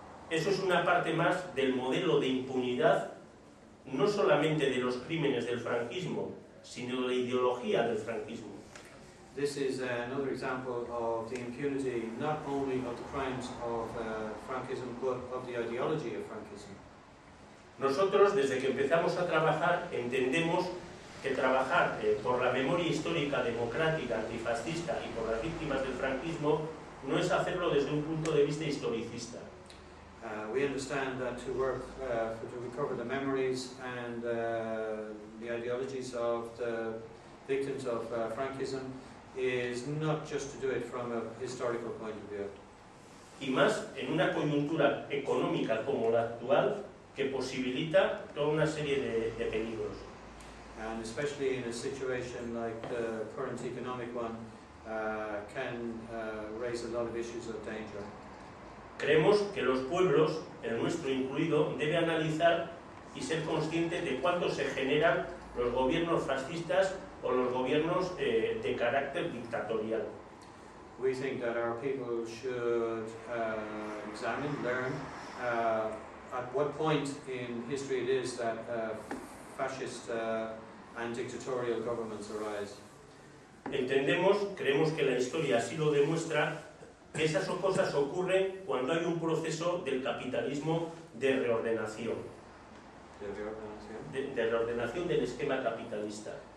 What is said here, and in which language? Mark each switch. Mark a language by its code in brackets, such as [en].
[es] Eso es una parte más del modelo de impunidad, no solamente de los crímenes del franquismo, sino de la ideología del franquismo. [en] This is another example of the impunity, not only of the crimes of Franquism, but of the ideology of Franquism. [es] Nosotros, desde que empezamos a trabajar, entendemos que trabajar por la memoria histórica democrática, antifascista y por las víctimas del franquismo no es hacerlo desde un punto de vista historicista. [en] We understand that to work to recover the memories and the ideologies of the victims of Franquism is not just to do it from a historical point of view. [es] Y más en una coyuntura económica como la actual que posibilita toda una serie de peligros. [en] And especially in a situation like the current economic one, can raise a lot of issues of danger. [es] Creemos que los pueblos, el nuestro incluido, debe analizar y ser consciente de cuánto se generan los gobiernos fascistas o los gobiernos de carácter dictatorial. [en] We think that our people should examine, learn at what point in history it is that fascist and dictatorial governments arise. [es] Entendemos, creemos que la historia así lo demuestra, que esas cosas ocurren cuando hay un proceso del capitalismo de reordenación. ¿De reordenación? De reordenación del esquema capitalista.